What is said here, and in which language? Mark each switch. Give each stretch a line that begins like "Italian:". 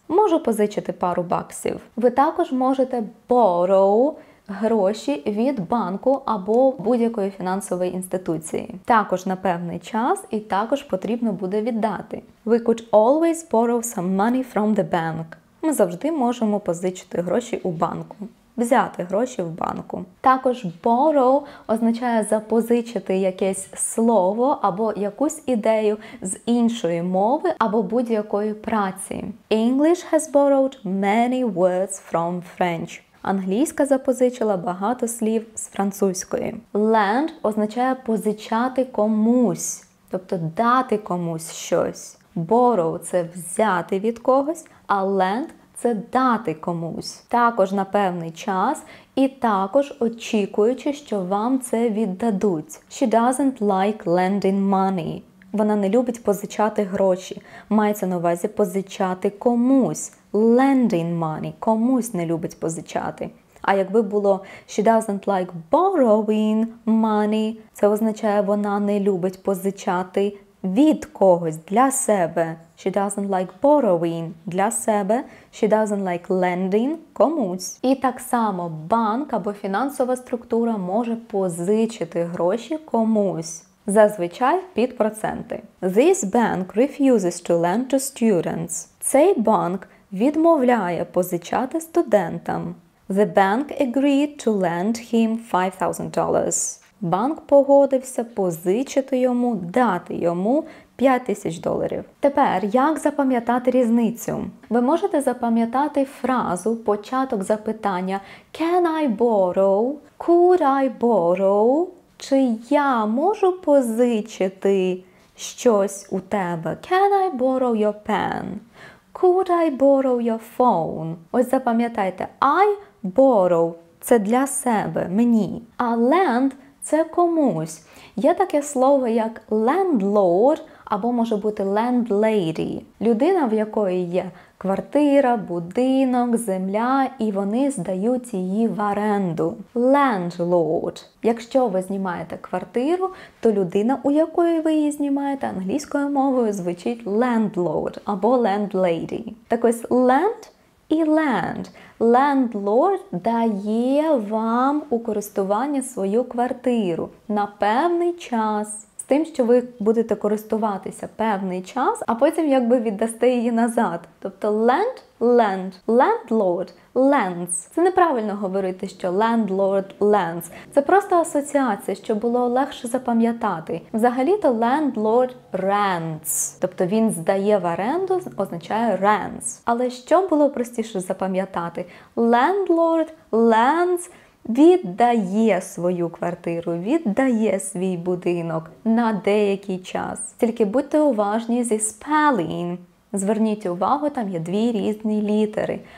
Ukrainian: Можу позичити пару баксів. Ви також можете borrow гроші від банку або будь-якої фінансової інституції. Також на певний час і також потрібно буде віддати.
English: We could always borrow some money from the bank.
Ukrainian: Ми завжди можемо позичити гроші у банку. Взяти гроші в банку. Також borrow означає запозичити якесь слово або якусь ідею з іншої мови або будь-якої праці.
English: English has borrowed many words from French.
Ukrainian: Англійська запозичила багато слів з французької. Lend означає позичати комусь, тобто дати комусь щось. Borrow – це взяти від когось, а lend – це дати комусь. Також на певний час і також очікуючи, що вам це віддадуть.
English: She doesn't like lending money.
Ukrainian: Вона не любить позичати гроші. Мається на увазі позичати комусь.
English: Lending money.
Ukrainian: Комусь не любить позичати. А якби було
English: she doesn't like borrowing money,
Ukrainian: це означає, вона не любить позичати від когось, для себе.
English: She doesn't like borrowing
Ukrainian: для себе.
English: She doesn't like lending
Ukrainian: комусь. І так само банк або фінансова структура може позичити гроші комусь. Зазвичай під проценти.
English: This bank refuses to lend to students.
Ukrainian: Цей банк відмовляє позичати студентам.
English: The bank agreed to lend him $5,000.
Ukrainian: Банк погодився позичити йому, дати йому $5,000. Тепер, як запам'ятати різницю? Ви можете запам'ятати фразу, початок запитання
English: Can I borrow? Could I borrow?
Ukrainian: Чи я можу позичити щось у тебе?
English: Can I borrow your pen? Could I borrow your phone?
Ukrainian: Ось запам'ятайте, I borrow – це для себе, мені. А lend – це комусь. Є таке слово, як landlord або може бути landlady. Людина, в якої є квартира, будинок, земля, і вони здають її в оренду. Landlord. Якщо ви знімаєте квартиру, то людина, у якої ви її знімаєте, англійською мовою звучить landlord або landlady. Так ось, land і land. Landlord дає вам у користування свою квартиру на певний час. Тим, що ви будете користуватися певний час, а потім якби віддасте її назад. Тобто lend – lend, landlord – lends. Це неправильно говорити, що landlord – lends. Це просто асоціація, що було легше запам'ятати. Взагалі-то landlord – rents. Тобто він здає в оренду, означає rents. Але що було простіше запам'ятати? Landlord – lends – віддає свою квартиру, віддає свій будинок на деякий час. Тільки будьте уважні зі spelling. Зверніть увагу, там є дві різні літери.